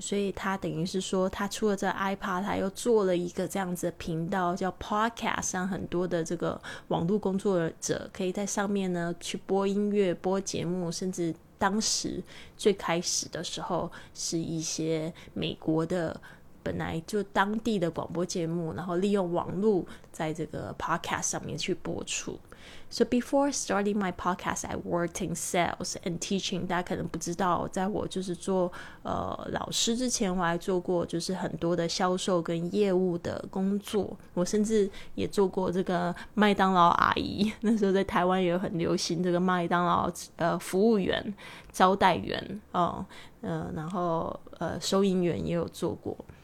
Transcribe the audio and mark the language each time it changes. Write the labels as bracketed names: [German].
[Chinese] 所以它等于是说，它出了这 iPod， 它又做了一个这样子的频道叫 podcast， 让很多的这个网络工作者可以在上面呢去播音乐、播节目，甚至当时最开始的时候是一些美国的。本来就当地的广播节目，然后利用网络在这个 podcast 上面去播出。 [English] So before starting my podcast, I worked in sales and teaching. [Chinese] 大家可能不知道，在我就是做老师之前，我还做过就是很多的销售跟业务的工作。我甚至也做过这个麦当劳阿姨，那时候在台湾也很流行这个麦当劳服务员、招待员然后收银员也有做过。